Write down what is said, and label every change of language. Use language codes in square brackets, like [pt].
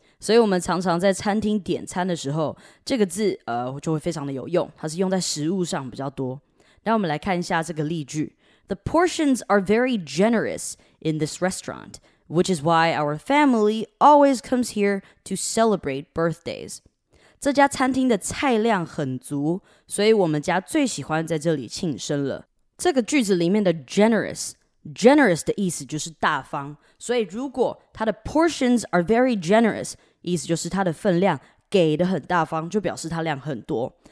[zh] 所以我们常常在餐厅点餐的时候，这个字就会非常的有用，它是用在食物上比较多。那我们来看一下这个例句。 [en] The portions are very generous in this restaurant. Which is why our family always comes here to celebrate birthdays. [zh] 这家餐厅的菜量很足，所以我们家最喜欢在这里庆生了。这个句子里面的 generous 的意思就是大方，所以如果它的 [en] portions are very generous, [zh] 意思就是它的分量给的很大方，就表示它量很多。